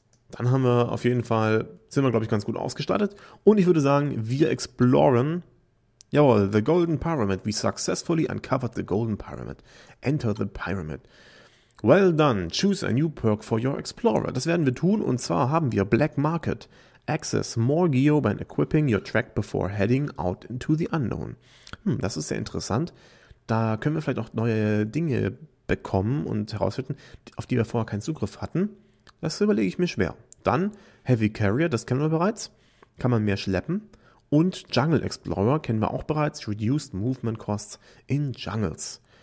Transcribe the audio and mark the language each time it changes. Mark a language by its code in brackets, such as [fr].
[de] Dann haben wir auf jeden Fall, sind wir glaube ich ganz gut ausgestattet. Und ich würde sagen, wir exploren. Jawohl, the Golden Pyramid. [en] We successfully uncovered the Golden Pyramid. Enter the Pyramid. Well done. Choose a new perk for your explorer. [de] Das werden wir tun, und zwar haben wir Black Market. [en] Access more gear when equipping your track before heading out into the unknown. [de] Das ist sehr interessant. Da können wir vielleicht auch neue Dinge bekommen und herausfinden, auf die wir vorher keinen Zugriff hatten. Das überlege ich mir schwer. Dann Heavy Carrier, das kennen wir bereits. Kann man mehr schleppen. Und Jungle Explorer kennen wir auch bereits. [en] Reduced Movement Costs in Jungles.